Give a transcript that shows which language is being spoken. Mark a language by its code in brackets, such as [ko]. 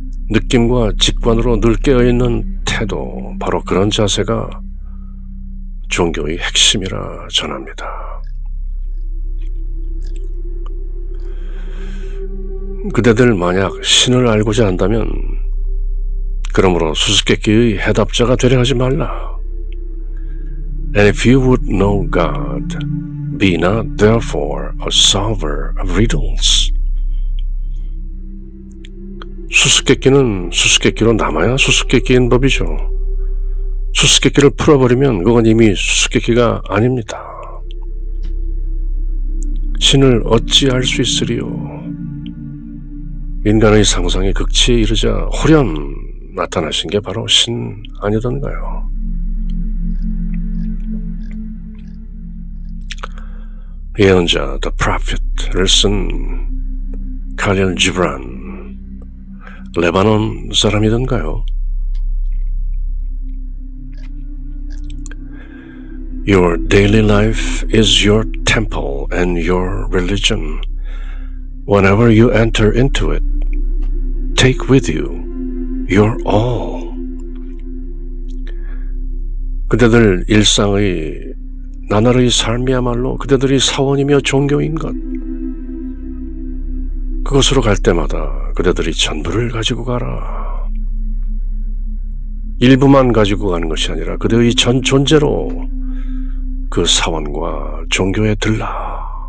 [ko] 느낌과 직관으로 늘 깨어있는 태도, 바로 그런 자세가 종교의 핵심이라 전합니다. 그대들 만약 신을 알고자 한다면 그러므로 수수께끼의 해답자가 되려 하지 말라. [en] And if you would know God, be not therefore a solver of riddles. [ko] 수수께끼는 수수께끼로 남아야 수수께끼인 법이죠. 수수께끼를 풀어버리면 그건 이미 수수께끼가 아닙니다. 신을 어찌 알 수 있으리요? 인간의 상상이 극치에 이르자 홀연 나타나신 게 바로 신 아니던가요? 예언자 The Prophet를 쓴 칼릴 지브란, 레바논 사람이던가요? [en] Your daily life is your temple and your religion. Whenever you enter into it, take with you your all. [ko] 그대들 일상의 나날의 삶이야말로 그대들이 사원이며 종교인 것. 그곳으로 갈 때마다 그대들이 전부를 가지고 가라. 일부만 가지고 가는 것이 아니라 그대의 전 존재로 그 사원과 종교에 들라.